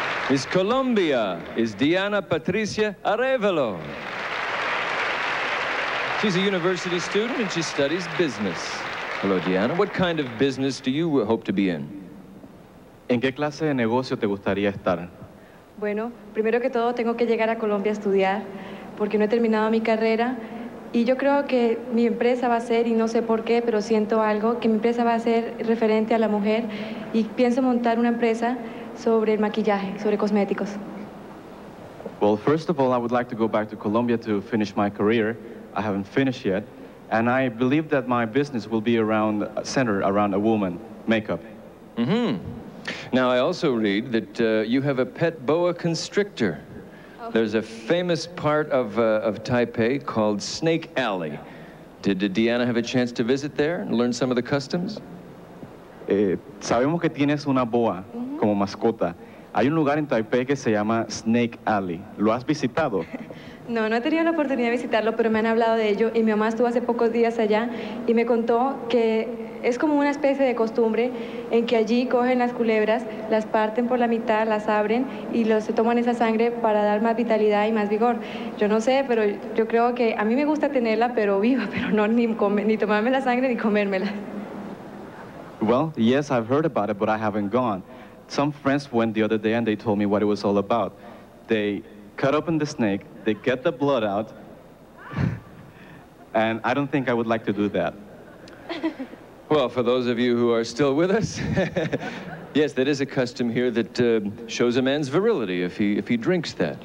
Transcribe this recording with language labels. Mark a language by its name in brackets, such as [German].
[English] Miss Colombia is Diana Patricia Arevalo. She's a university student and she studies business. Hello, Diana. What kind of business do you hope to be in? [Spanish] ¿En qué clase de negocio te gustaría estar? Bueno, primero que todo, tengo que llegar a Colombia a estudiar porque no he terminado mi carrera. Y yo creo que mi empresa va a ser, y no sé por qué, pero siento algo, que mi empresa va a ser referente a la mujer y pienso montar una empresa sobre el maquillaje, sobre cosméticos. [English] Well, first of all, I would like to go back to Colombia to finish my career. I haven't finished yet. And I believe that my business will be centered around a woman, makeup. Mm-hmm. Now, I also read that you have a pet boa constrictor. There's a famous part of Taipei called Snake Alley. Did Diana have a chance to visit there and learn some of the customs? [Spanish] Sabemos que tienes una boa como mascota. Hay un lugar en Taipei que se llama Snake Alley. ¿Lo has visitado? No, no he tenido la oportunidad de visitarlo, pero me han hablado de ello. Y mi mamá estuvo hace pocos días allá y me contó que es como una especie de costumbre en que allí cogen las culebras, las parten por la mitad, las abren y se toman esa sangre para dar más vitalidad y más vigor. Yo no sé, pero yo creo que a mí me gusta tenerla, pero viva, pero no ni tomarme la sangre ni comérmela. [English] Well, yes, I've heard about it, but I haven't gone. Some friends went the other day and they told me what it was all about. They cut open the snake, they get the blood out, and I don't think I would like to do that. Well, for those of you who are still with us, Yes, that is a custom here that shows a man's virility if he drinks that.